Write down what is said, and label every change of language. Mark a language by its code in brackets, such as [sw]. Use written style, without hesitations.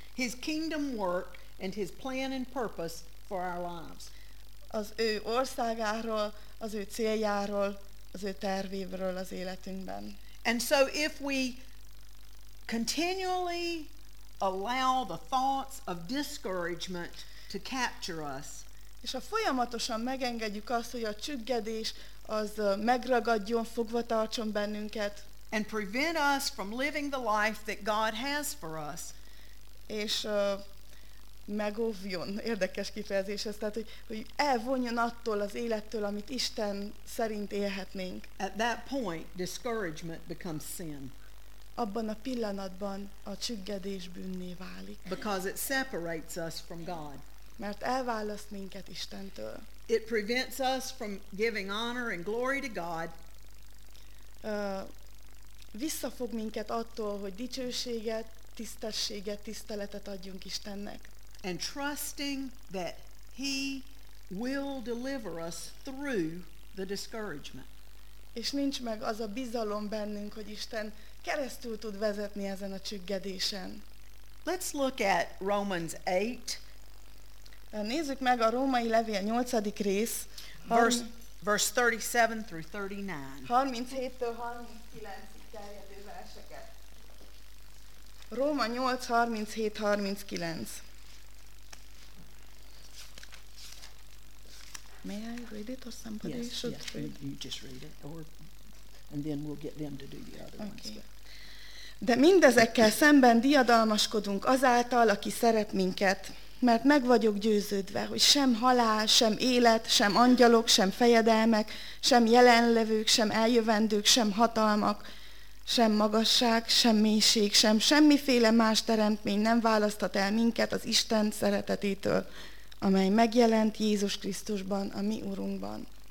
[en] His kingdom work and his plan and purpose for our lives. [hu] Az ő országáról, az ő céljáról, az ő tervéről az életünkben. [en] And so if we continually allow the thoughts of discouragement to capture us, [hu] és ha folyamatosan megengedjük azt, hogy a csüggedés az megragadjon, fogva tartson bennünket, [en] and prevent us from living the life that God has for us. [hu] És megóvjon, érdekes kifejezés ez, tehát hogy elvonjon attól az élettől, amit Isten szerint élhetnénk. [en] At that point, discouragement becomes sin. [hu] Abban a pillanatban a csüggedés bűnné válik. [en] Because it separates us from God. [hu] Mert elválaszt minket Istentől. [en] It prevents us from giving honor and glory to God. [hu] visszafog minket attól, hogy dicsőséget, tisztességet, tiszteletet adjunk Istennek. [en] And trusting that he will deliver us through the discouragement. [hu] És nincs meg az a bizalom bennünk, hogy Isten keresztül tud vezetni ezen a csüggedésen. [en] Let's look at Romans 8. [hu] Nézzük meg a Római Levél 8. rész. [en] Verse 37 through 39. [hu] 37-től 39-ig terjedő verseket. Róma 8, 37-39. [en] May I read it or somebody yes, should yes, read? Yes, you just read it, or and then we'll get them to do the other okay. ones. [hu] De mindezekkel szemben diadalmaskodunk azáltal, aki szeret minket, mert meg vagyok győződve, hogy sem halál, sem élet, sem angyalok, sem fejedelmek, sem jelenlevők, sem eljövendők, sem hatalmak, sem magasság, sem mélység, sem semmiféle más teremtmény nem választhat el minket az Isten szeretetétől, amely megjelent Jézus Krisztusban, a mi Urunkban.